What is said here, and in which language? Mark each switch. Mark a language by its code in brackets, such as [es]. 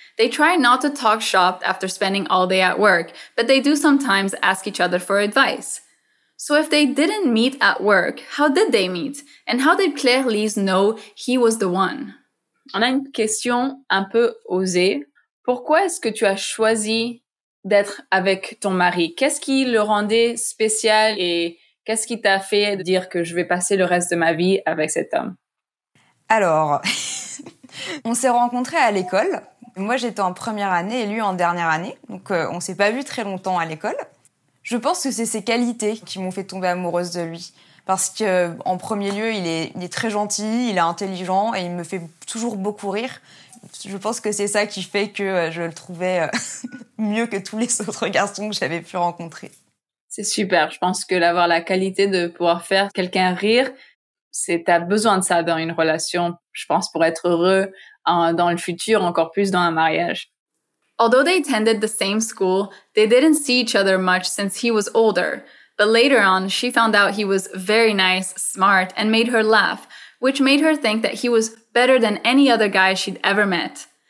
[en] They try not to talk shop after spending all day at work, but they do sometimes ask each other for advice. So if they didn't meet at work, how did they meet? And how did Claire-Lise know he was the one? [fr] On a une question un peu osée. Pourquoi est-ce que tu as choisi d'être avec ton mari? Qu'est-ce qui le rendait spécial et... Qu'est-ce qui t'a fait dire que je vais passer le reste de ma vie avec cet homme? Alors, on s'est rencontrés à l'école. Moi, j'étais en première année et lui en dernière année. Donc, on ne s'est pas vus très longtemps à l'école. Je pense que c'est ses qualités qui m'ont fait tomber amoureuse de lui. Parce qu'en premier lieu, il est très gentil, il est intelligent et il me fait toujours beaucoup rire. Je pense que c'est ça qui fait que je le trouvais mieux que tous les autres garçons que j'avais pu rencontrer. C'est super. Je pense que d'avoir la qualité de pouvoir faire quelqu'un rire, c'est, t'as besoin de ça dans une relation, je pense, pour être heureux dans le futur, encore plus dans un mariage. [en] Although they attended the same school, they didn't see each other much since he was older. But later on, she found out he was very nice, smart, and made her laugh, which made her think that he was better than any other guy she'd ever met.